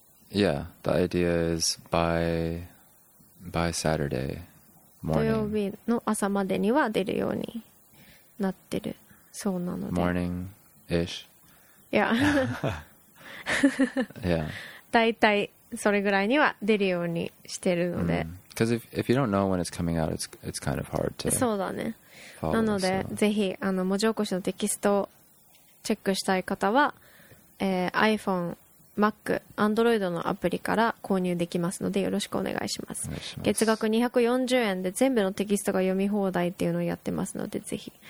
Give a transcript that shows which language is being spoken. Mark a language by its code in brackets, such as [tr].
[en] Yeah, the idea is by Saturday. [ja] 土曜日の朝までには出るようになってる。そうなので。 [en] morning ish。 Yeah. Yeah. [ja] だいたいそれぐらいには出るようにしてるので。 [en] Because if you don't know when it's coming out, it's kind of hard to. [ja] そうだね。 [en] Follow, [ja] なので、 [en] so. [ja] ぜひあの文字起こしのテキストをチェックしたい方は、iPhone。 Mac、Android のアプリから購入できますのでよろしくお願いします。月額240円で全部のテキストが読み放題っていうのをやってますので、ぜひ。